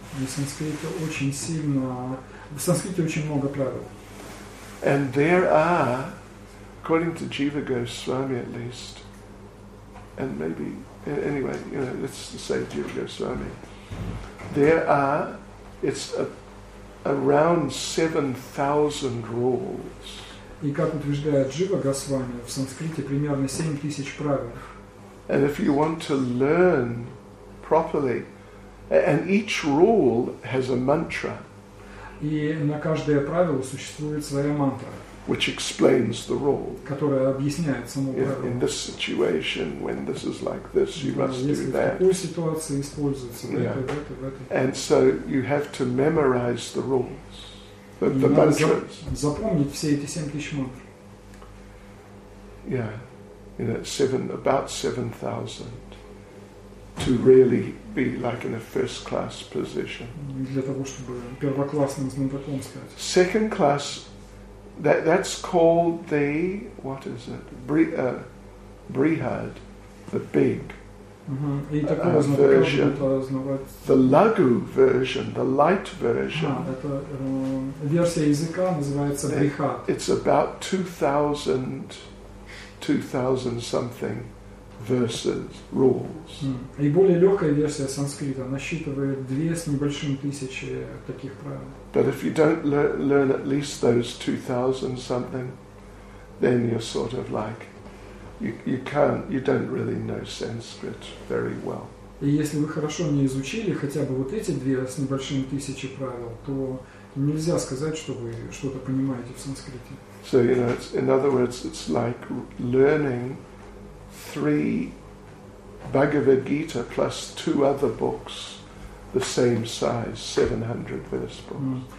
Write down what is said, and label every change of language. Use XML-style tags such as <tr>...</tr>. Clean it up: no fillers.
<ru>В санскрите очень много правил.</ru> <en>And there are, according to Jiva Goswami at least, and maybe, anyway, you know, let's say Jiva Goswami, there are, it's around 7,000 rules.</en> <ru>И как утверждает Джива Госвами, в санскрите примерно 7000 правил.</ru> <en>And if you want to learn properly, and each rule has a mantra.</en> <ru>И на каждое правило существует своя мантра.</ru> <en>Which explains the rule.</en> <ru>Которая объясняет само правило.</ru> <en>In this situation, when this is like this, you must do that.</en> <ru>Если в такой ситуации используется это.</ru> <en>And so you have to memorize the rules. The mantras.</en> <ru>Запомнить все эти 7000 мантр.</ru> <en>Yeah. You know, about 7,000 to really be like in a first class position.</en> <ru>Для того, чтобы первоклассным знатоком стать.</ru> <en>Second class, that's called the, what is it? Brihad, the big.</en> <ru>И такого знатока будет узнавать.</ru> <en>The lagu version, the light version.</en> <ru>Это версия языка называется Brihad.</ru> <en>It's about 2,000 something verses, rules.</en> <ru>И более легкая версия санскрита насчитывает 2,000 таких правил.</ru> <en>But if you don't learn at least those 2,000 something, then you're sort of like, you don't really know Sanskrit very well.</en> <ru>И если вы хорошо не изучили хотя бы вот эти 2,000 правил, то нельзя сказать, что вы что-то понимаете в санскрите.</ru> <en>So, you know, it's, in other words, it's like learning 3 Bhagavad Gita plus 2 other books the same size, 700 verse books.</en>